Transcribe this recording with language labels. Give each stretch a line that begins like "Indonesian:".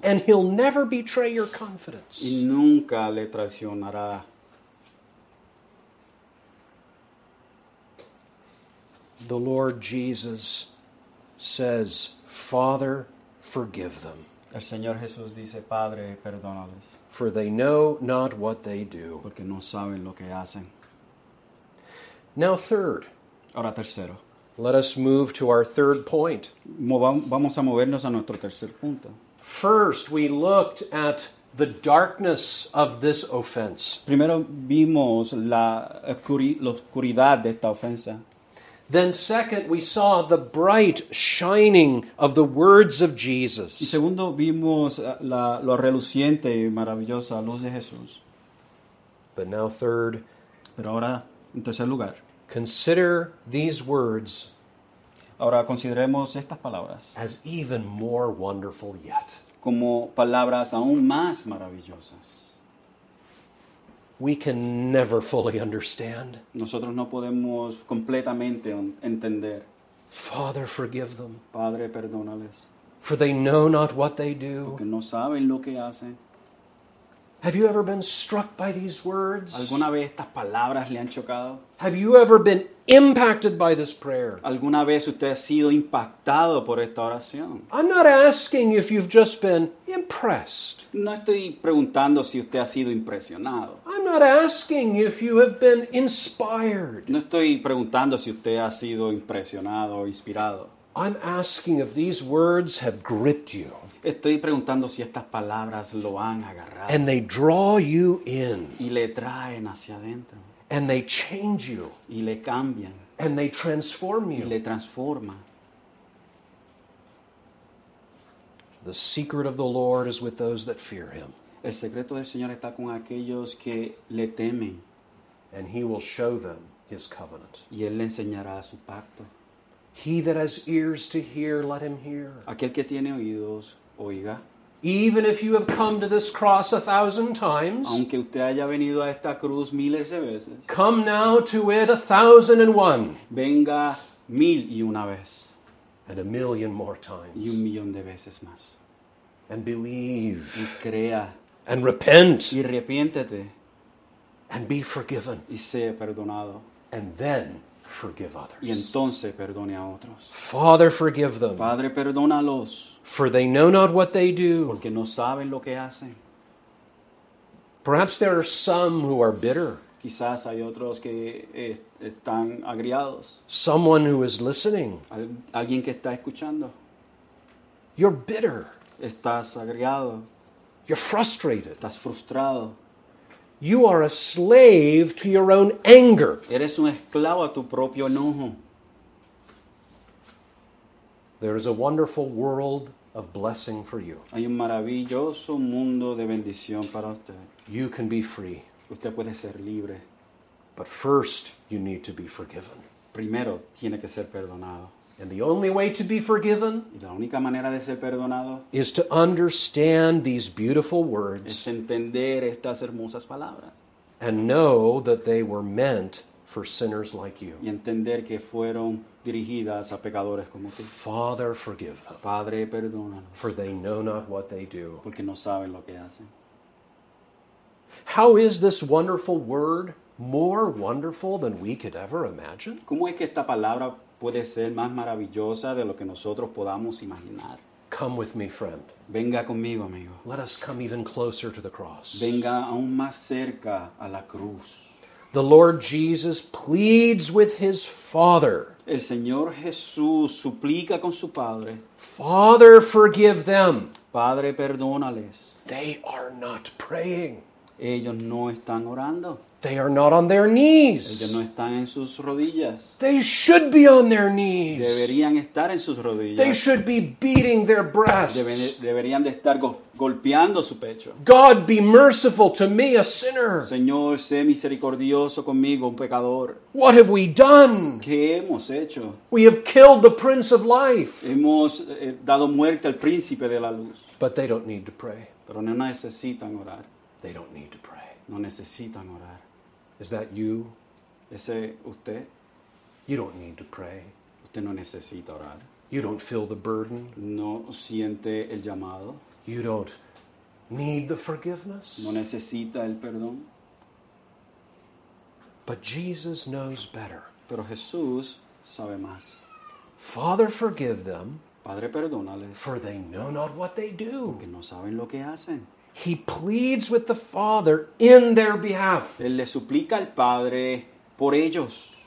English: And he'll never betray your confidence.
Spanish: Y nunca le traicionará.
English: The Lord Jesus says, Father, forgive them.
Spanish: El Señor Jesús dice, Padre, perdónales.
English: For they know not what they do.
Spanish: Porque no saben lo que hacen.
English: Now third.
Spanish: Ahora tercero.
English: Let us move to our third point.
Spanish: Vamos a movernos a nuestro tercer punto.
English: First, we looked at the darkness of this offense.
Spanish: Primero vimos la oscuridad de esta ofensa.
English: Then second, we saw the bright shining of the words of Jesus.
Spanish: Y segundo, vimos lo reluciente y maravillosa luz de Jesús.
English: But now third.
Spanish: Pero ahora, en tercer lugar.
English: Consider these words.
Spanish: Ahora consideremos estas palabras.
English: As even more wonderful yet.
Spanish: Como palabras aún más maravillosas.
English: We can never fully understand.
Spanish: Nosotros no podemos completamente entender.
English: Father, forgive them.
Spanish: Padre, perdónales.
English: For they know not what they do.
Spanish: Porque no saben lo que hacen.
English: Have you ever been struck by these words?
Spanish: ¿Alguna vez estas palabras le han chocado?
English: Have you ever been impacted by this prayer?
Spanish: ¿Alguna vez usted ha sido impactado por esta oración?
English: I'm not asking if you've just been impressed.
Spanish: No estoy preguntando si usted ha sido impresionado.
English: I'm not asking if you have been inspired.
Spanish: No estoy preguntando si usted ha sido impresionado o inspirado.
English: I'm asking if these words have gripped you.
Spanish: Estoy preguntando si estas palabras lo han agarrado.
English: And they draw you in.
Spanish: Y le traen hacia adentro.
English: And they change you.
Spanish: Y le cambian.
English: And they transform you.
Spanish: Y le transforma.
English: The secret of the Lord is with those that fear him.
Spanish: El secreto del Señor está con aquellos que le temen.
English: And he will show them his covenant.
Spanish: Y él le enseñará su pacto.
English: He that has ears to hear, let him hear.
Spanish: Aquel que tiene oídos, oiga.
English: Even if you have come to this cross 1,000 times,
Spanish: aunque usted haya venido a esta cruz miles de veces,
English: come now to it 1,001.
Spanish: Venga mil y una vez.
English: And 1,000,000 more times.
Spanish: Y 1,000,000 de veces más.
English: And believe.
Spanish: Y crea.
English: And repent.
Spanish: Y arrepiéntete.
English: And be forgiven.
Spanish: Y sea perdonado.
English: And then forgive others.
Spanish: Y entonces perdone a otros.
English: Father, forgive them.
Spanish: Padre, perdónalos.
English: For they know not what they do.
Spanish: Porque no saben lo que hacen.
English: Perhaps there are some who are bitter.
Spanish: Quizás hay otros que están agriados.
English: Someone who is listening.
Spanish: Alguien que está escuchando.
English: You're bitter.
Spanish: Estás agriado.
English: You're frustrated.
Spanish: Estás frustrado.
English: You are a slave to your own anger.
Spanish: Eres un esclavo a tu propio enojo.
English: There is a wonderful world of blessing for you.
Spanish: Hay un maravilloso mundo de bendición para usted.
English: You can be free.
Spanish: Usted puede ser libre.
English: But first, you need to be forgiven.
Spanish: Primero, tiene que ser perdonado.
English: And the only way to be forgiven,
Spanish: y la única manera de ser perdonado,
English: is to understand these beautiful words,
Spanish: es entender estas hermosas palabras,
English: and know that they were meant for sinners like you.
Spanish: Y entender que fueron dirigidas a pecadores como tú.
English: Father, forgive them.
Spanish: Padre, perdónalos.
English: For they know not what they do.
Spanish: Porque no saben lo que hacen.
English: How is this wonderful word more wonderful than we could ever imagine?
Spanish: ¿Cómo es que esta palabra puede ser más maravillosa de lo que nosotros podamos imaginar?
English: Come with me, friend.
Spanish: Venga conmigo, amigo.
English: Let us come even closer to the cross.
Spanish: Venga aún más cerca a la cruz.
English: The Lord Jesus pleads with his Father.
Spanish: El Señor Jesús suplica con su Padre.
English: Father, forgive them.
Spanish: Padre, perdónales.
English: They are not praying.
Spanish: Ellos no están orando.
English: They are not on their knees.
Spanish: Ellos no están en sus rodillas.
English: They should be on their knees.
Spanish: Deberían estar en sus rodillas.
English: They should be beating their breasts.
Spanish: Deberían de estar golpeando su pecho.
English: God be merciful to me, a sinner.
Spanish: Señor, sé misericordioso conmigo, un pecador.
English: What have we done?
Spanish: ¿Qué hemos hecho?
English: We have killed the Prince of Life.
Spanish: Hemos dado muerte al Príncipe de la Luz.
English: But they don't need to pray.
Spanish: Pero no necesitan orar.
English: They don't need to pray.
Spanish: No necesitan orar.
English: Is that you?
Spanish: ¿Ese usted?
English: You don't need to pray.
Spanish: Usted no necesita orar.
English: You don't feel the burden.
Spanish: No siente el llamado.
English: You don't need the forgiveness.
Spanish: No necesita el perdón.
English: But Jesus knows better.
Spanish: Pero Jesús sabe más.
English: Father, forgive them.
Spanish: Padre, perdónales.
English: For they know not what they do.
Spanish: Porque no saben lo que hacen.
English: He pleads with the Father in their behalf.
Spanish: Él le suplica al Padre por ellos.